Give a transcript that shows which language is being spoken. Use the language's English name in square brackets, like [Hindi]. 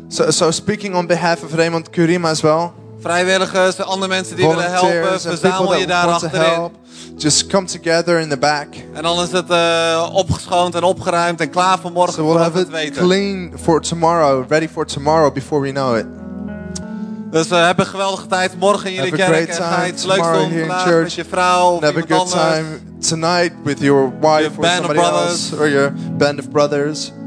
[English] So speaking on behalf of Raymond Kurima as well. [Dutch] Vrijwilligers, andere mensen die willen helpen, verzamel je daar achterin. [English] Just come together in the back. [Dutch] En dan is het opgeschoond en opgeruimd en klaar voor morgen. [English] So we'll have [Dutch] het weten. [English] Clean for tomorrow, ready for tomorrow before we know it. [Dutch] Dus heb een geweldige tijd morgen in jullie kerk. [English] Have a great time tomorrow here in church. [Dutch] Met je vrouw of [English] have a good time tonight with your wife your or somebody else or your band of brothers.